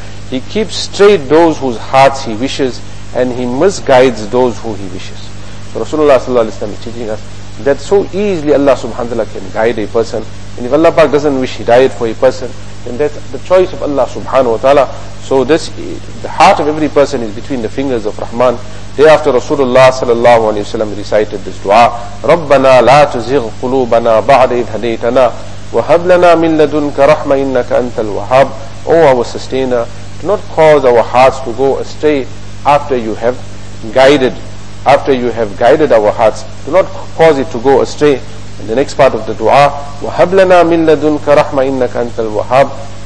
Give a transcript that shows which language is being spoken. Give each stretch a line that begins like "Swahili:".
English: He keeps straight those whose hearts he wishes, and he misguides those who he wishes. So Rasulullah sallallahu alayhi wa sallam is teaching us that so easily Allah subhanahu wa ta'ala can guide a person. And if Allah Pak doesn't wish hidayat for a person, then that's the choice of Allah subhanahu wa ta'ala. So this, the heart of every person is between the fingers of Rahman. Thereafter Rasulullah sallallahu alayhi wa sallam recited this dua,
Arabic: رَبَّنَا لَا تُزِغْ قُلُوبَنَا بَعْدَ إِذْ هَدَيْتَنَا وَهَبْ لَنَا مِنْ لَدُنْكَ رَحْمَةً إِنَّكَ أَنْتَ الْوَهَابُ.
English: O our sustainer, do not cause our hearts to go astray after you have guided, our hearts. Do not cause it to go astray. And the next part of the dua,
Arabic: وَهَبْ لَنَا مِنْ لَدُنْكَ رَحْمَةً إِنَّكَ أَنْتَ الْوَهَابُ.